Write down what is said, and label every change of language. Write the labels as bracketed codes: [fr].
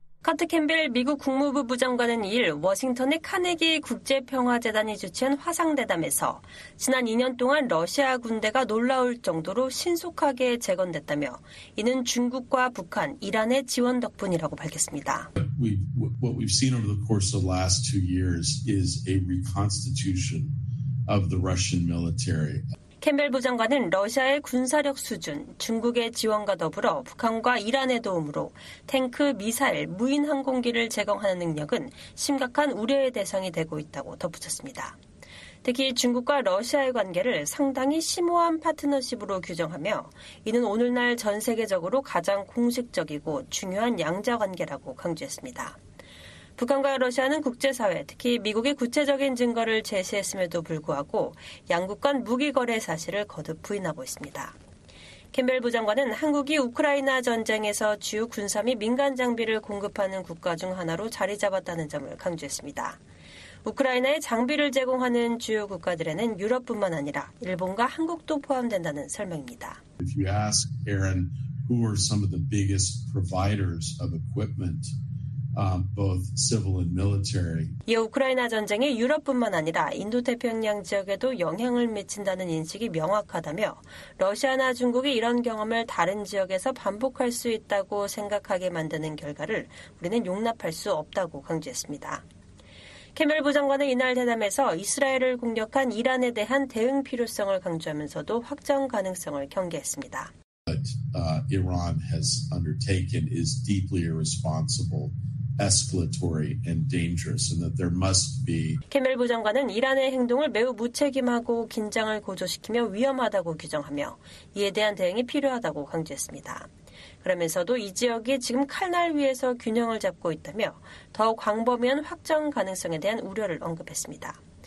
[ko] 커트 캠벨 미국 국무부 부장관은 2일 워싱턴의 카네기 국제평화재단이 주최한 화상대담에서 지난 2년 동안 러시아 군대가 놀라울 정도로 신속하게 재건됐다며 이는 중국과 북한, 이란의 지원 덕분이라고 밝혔습니다. [en] What we've seen over the course of the last two years is a reconstitution of the Russian military. [ko] 캠벨 부장관은 러시아의 군사력 수준, 중국의 지원과 더불어 북한과 이란의 도움으로 탱크, 미사일, 무인 항공기를 제공하는 능력은 심각한 우려의 대상이 되고 있다고 덧붙였습니다. 특히 중국과 러시아의 관계를 상당히 심오한 파트너십으로 규정하며 이는 오늘날 전 세계적으로 가장 공식적이고 중요한 양자 관계라고 강조했습니다. 북한과 러시아는 국제사회, 특히 미국이 구체적인 증거를 제시했음에도 불구하고 양국 간 무기 거래 사실을 거듭 부인하고 있습니다. 캠벨 부장관은 한국이 우크라이나 전쟁에서 주요 군사 및 민간 장비를 공급하는 국가 중 하나로 자리 잡았다는 점을 강조했습니다. 우크라이나에 장비를 제공하는 주요 국가들에는 유럽뿐만 아니라 일본과 한국도 포함된다는 설명입니다. [en] If you ask Aaron, who are some of the biggest providers of equipment? Both civil and military. [ko] 이 우크라이나 전쟁이 유럽뿐만 아니라 인도태평양 지역에도 영향을 미친다는 인식이 명확하다며 러시아나 중국이 이런 경험을 다른 지역에서 반복할 수 있다고 생각하게 만드는 결과를 우리는 용납할 수 없다고 강조했습니다. 캠벨 부장관은 이날 대담에서 이스라엘을 공격한 이란에 대한 대응 필요성을 강조하면서도 확장 가능성을 경계했습니다. [en] Iran has undertaken is deeply irresponsible. escalatory and dangerous and that there must be [ko] 캠벨 부장관은 이란의 행동을 매우 무책임하고 긴장을 고조시키며 위험하다고 규정하며 이에 대한 대응이 필요하다고 강조했습니다. 그러면서도 이 지역이 지금 칼날 위에서 균형을 잡고 있다며 더 광범위한 확장 가능성에 대한 우려를 언급했습니다.